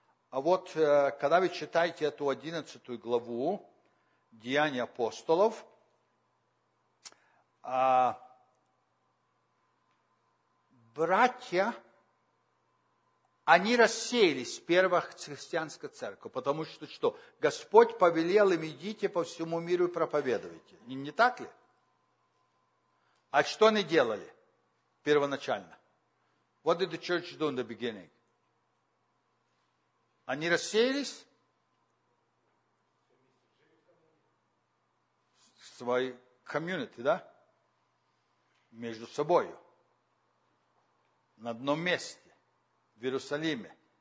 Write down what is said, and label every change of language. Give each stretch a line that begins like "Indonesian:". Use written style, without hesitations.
Russian: А вот когда вы читаете эту 11 главу Деяний апостолов, братья, они рассеялись в первых христианской церкви, потому что что? Господь повелел им, идите по всему миру и проповедуйте. Не так ли? А что они делали первоначально?
English: What did the church do in the beginning?
Russian: Они рассеялись в своей комьюнити, да? Между собой. На одном месте. В Иерусалиме.